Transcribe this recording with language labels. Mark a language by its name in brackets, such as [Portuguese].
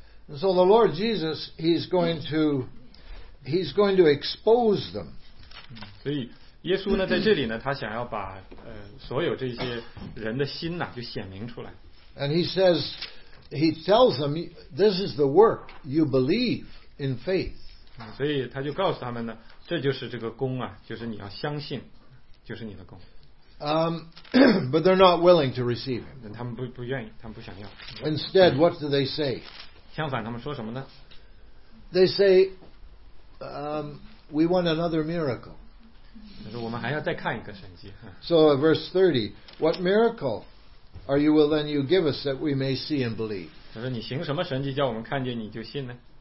[English] So the Lord Jesus, he's going to expose them. [Chinese] 所以耶稣呢，在这里呢，他想要把所有这些人的心呐、啊，就显明出来。 [English] And he says. He tells them, "This is the work you believe in faith." [Chinese] 所以他就告诉他们呢，这就是这个功啊，就是你要相信，就是你的功。 [English] But they're not willing to receive him. [Chinese] 他们不愿意，他们不想要。 [English] Instead, what do they say? [Chinese] 相反，他们说什么呢 [English] ？They say, "We want another miracle." [Chinese] 就是我们还要再看一个神迹。 [English] So, verse 30, what miracle? Are you willing to give us that we may see and believe? [Chinese] 他说你行什么神迹叫我们看见你就信呢